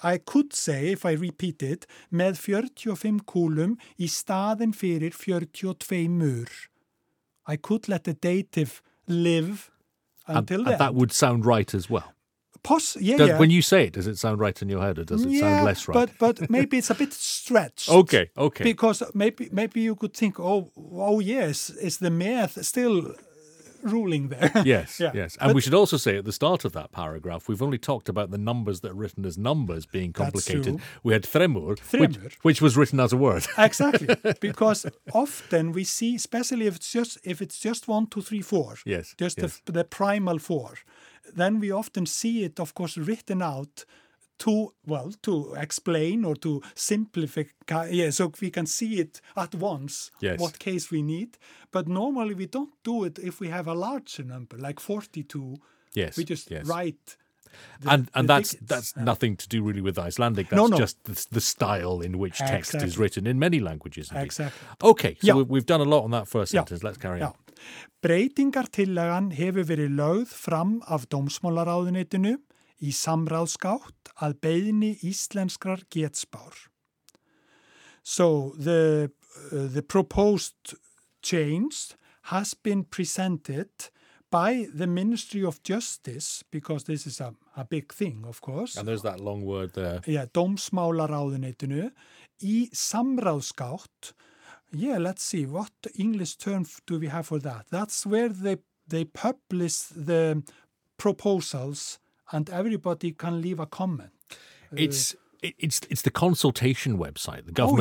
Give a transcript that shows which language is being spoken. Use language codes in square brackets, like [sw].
[en] I could say, if I repeat it, [is] með 45 kúlum í staðinn fyrir 42. [en] I could let the dative live until then. And that would sound right as well. When you say it, does it sound right in your head or does it yeah, sound less right? But maybe it's a bit stretched. Okay, okay. Because maybe you could think, oh yes, is the með still... ruling there. Yes, yeah. yes. And we should also say at the start of that paragraph, we've only talked about the numbers that are written as numbers being complicated. We had [is] Þremur. [en] Which was written as a word. Exactly. Because often we see, especially if it's just 1, 2, 3, 4. Yes. Just yes. The primal four. Then we often see it, of course, written out to explain or to simplify. Yeah, so we can see it at once, yes. what case we need. But normally we don't do it if we have a larger number, like 42. Yes. We just yes. write. And that's nothing to do really with Icelandic. That's no, no. just the style in which text exactly. is written in many languages. Indeed. Exactly. Okay, so yeah. we've done a lot on that first sentence. Yeah. Let's carry yeah. on. [is] Breytingartillagan hefur verið lögð fram af dómsmálaráðuneytinu í samráðsgátt að beiðni íslenskrar getspár. [en] So the proposed change has been presented by the Ministry of Justice, because this is a big thing, of course. And there's that long word there. Yeah, dómsmálaráðuneytinu. Í samráðsgátt, yeah, let's see, what English term do we have for that? That's where they publish the proposals and everybody can leave a comment. It's the consultation website, the government